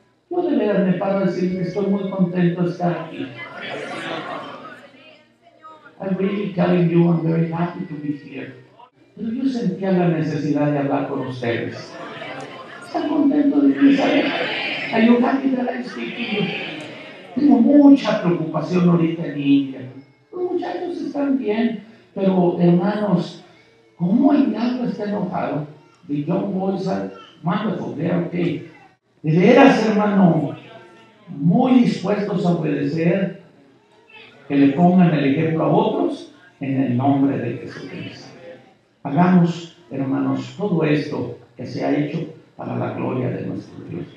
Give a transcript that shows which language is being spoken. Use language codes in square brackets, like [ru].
[es] Yo de verdad me paro a decir que estoy muy contento de estar aquí. [en] I'm really telling you I'm very happy to be here. [es] Pero yo sentía la necesidad de hablar con ustedes. ¿Están contentos de que saben? [en] Are you happy that I'm speaking? [es] Tengo mucha preocupación ahorita en India. Los muchachos están bien, pero hermanos, ¿cómo el diablo está enojado? [en] The young boys are wonderful, they are okay. [es] De veras, hermano, muy dispuestos a obedecer, que le pongan el ejemplo a otros en el nombre de Jesucristo. Hagamos, hermanos, todo esto que se ha hecho para la gloria de nuestro Dios.